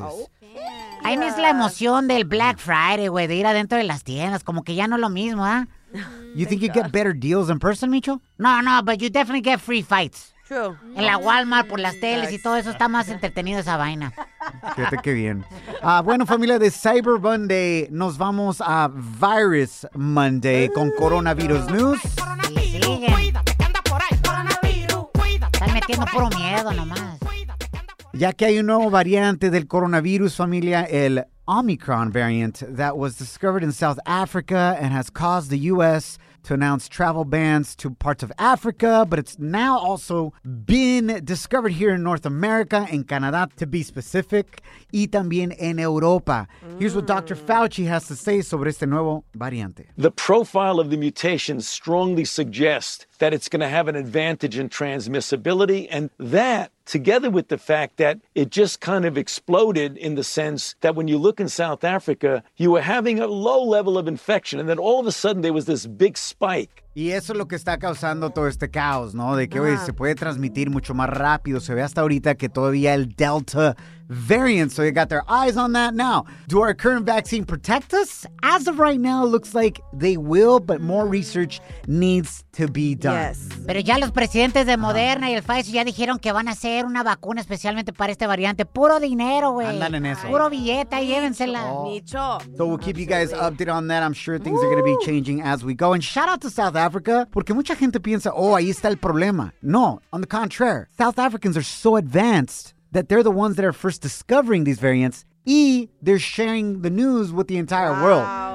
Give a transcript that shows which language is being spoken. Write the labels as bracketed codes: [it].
[es] Oh, yeah. Ahí es la emoción del Black Friday, güey, de ir adentro de las tiendas. Como que ya no lo mismo, ¿ah? [en] You think you get better deals in person, Micho? No, but you definitely get free fights. True. [es] En la Walmart por las teles y todo eso está más entretenido esa vaina. Fíjate qué bien. Bueno, familia de Cyber Monday, nos vamos a Virus Monday con Coronavirus News. Sigue. Cuídate que anda por ahí. Coronavirus. Están metiendo puro miedo nomás. Ya que hay un nuevo variante del coronavirus, familia, el [en] Omicron variant that was discovered in South Africa and has caused the U.S. to announce travel bans to parts of Africa, but it's now also been discovered here in North America, in Canada to be specific, [es] y también en Europa. [en] Here's what Dr. Fauci has to say [es] sobre este nuevo variante. [en] The profile of the mutation strongly suggests that it's going to have an advantage in transmissibility, and that, together with the fact that it just kind of exploded in the sense that when you look in South Africa, you were having a low level of infection, and then all of a sudden there was this big spike. [es] Y eso es lo que está causando todo este caos, ¿no? De que, oye, se puede transmitir mucho más rápido. Se ve hasta ahorita que todavía el Delta variant. [en] So they got their eyes on that now. Do our current vaccine protect us? As of right now, it looks like they will, but more research needs to be done. Yes. [es] Pero ya los presidentes de Moderna y el Pfizer ya dijeron que van a hacer una vacuna especialmente para este variante. Puro dinero, güey. Andan en eso. Puro billete, llévensela. Micho. [en] So we'll keep you guys updated on that. I'm sure things are going to be changing as we go. And shout out to South Africa, [es] porque mucha gente piensa, oh, ahí está el problema. [en] No, on the contrary, South Africans are so advanced that they're the ones that are first discovering these variants, y they're sharing the news with the entire world.